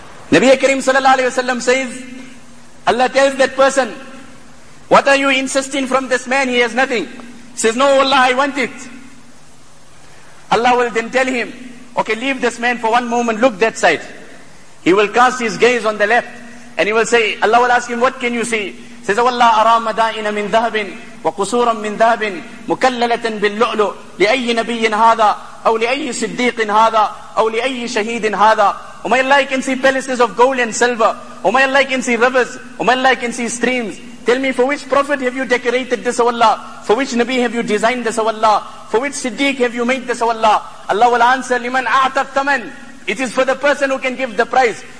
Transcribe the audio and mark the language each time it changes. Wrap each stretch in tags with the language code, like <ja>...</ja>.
<en>Nabi Kareem sallallahu alayhi wa sallam says, Allah tells that person, what are you insisting from this man? He has nothing. He says, no, Allah, I want it. Allah will then tell him, okay, leave this man for one moment, look that side. He will cast his gaze on the left and he will say, Allah will ask him, what can you see? He says, Allah,</en> <ar>أَرَى مَدَائِنَ مِنْ ذَهَبٍ وَقُسُورًا مِنْ ذَهَبٍ مُكَلَّلَةً بِاللُّؤْلُؤْ لِأَيِّ نَبِيٍ هَذَا أَوْ لِأَيِّ صِدِّيقٍ هَذَا أَوْ لِأَيِّ شَهِيدٍ هَذَا.</ar> <en>O my Allah, I can see palaces of gold and silver. O my Allah, I can see rivers. O my Allah, I can see streams. Tell me, for which prophet have you decorated this, O Allah? For which Nabi have you designed this, O Allah? For which Siddiq have you made this, O Allah? Allah will answer,</en> <ar>لِمَنْ أَعْتَى الثَّمَنْ.</ar> <en>It is for the person who can give the price.</en>